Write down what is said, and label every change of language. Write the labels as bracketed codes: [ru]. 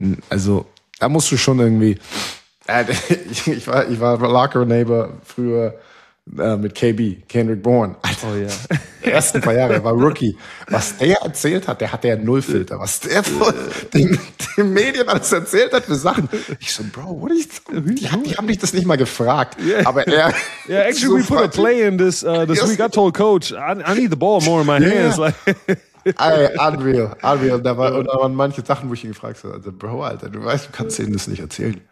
[de] Also da musst du schon irgendwie... Ich war Locker-Neighbor früher mit KB, Kendrick Bourne. Alter, oh ja. Die ersten paar Jahre, er war Rookie. Was der erzählt hat, der hatte ja null Filter. Was der den Medien alles erzählt hat für Sachen. Ich so, Bro, [en] what are you talking about? [de] Die haben dich das nicht mal gefragt. Yeah. Aber er... [en] Yeah, actually, so we put a play in this week. I told Coach, I need the ball more in my hands. Like. Ey, unreal. [de] Da waren manche Sachen, wo ich ihn gefragt habe. Also, Bro, Alter, du weißt, du kannst denen das nicht erzählen.